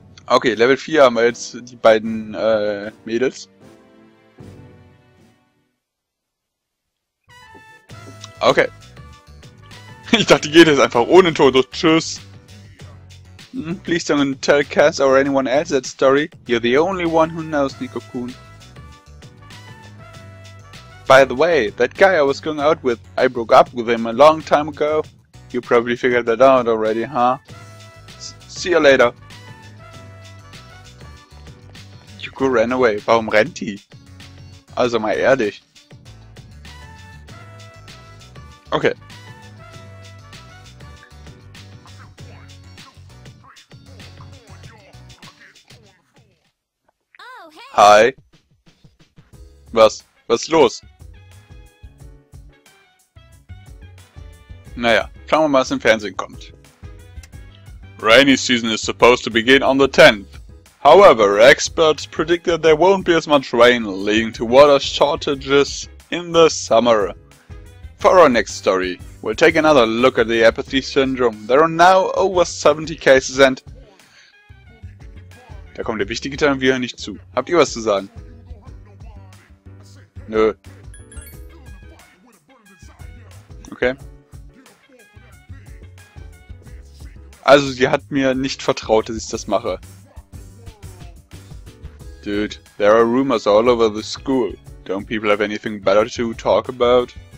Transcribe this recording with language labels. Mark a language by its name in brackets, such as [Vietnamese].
[German] Okay, Level 4 haben wir jetzt die beiden Mädels. Okay. Ich dachte, die geht jetzt einfach ohne Tode. Tschüss. [English] Please don't tell Cass or anyone else that story. You're the only one who knows, Nico-kun. By the way, that guy I was going out with, I broke up with him a long time ago. You probably figured that out already, huh? See you later. [German] Yuuko [English] ran away. [German] Warum rennt die? Also mal ehrlich. Okay. Oh, hey. Hi. Was? Was ist los? Naja, schauen wir mal, was im Fernsehen kommt. [English] Rainy season is supposed to begin on the 10th. However, experts predict that there won't be as much rain, leading to water shortages in the summer. For our next story, we'll take another look at the apathy syndrome. There are now over 70 cases and... [German] Da kommt der wichtige Teil und wir hören nicht zu. Habt ihr was zu sagen? Nö. Okay. Also, sie hat mir nicht vertraut, dass ich das mache. [English] Dude, there are rumors all over the school. Don't people have anything better to talk about?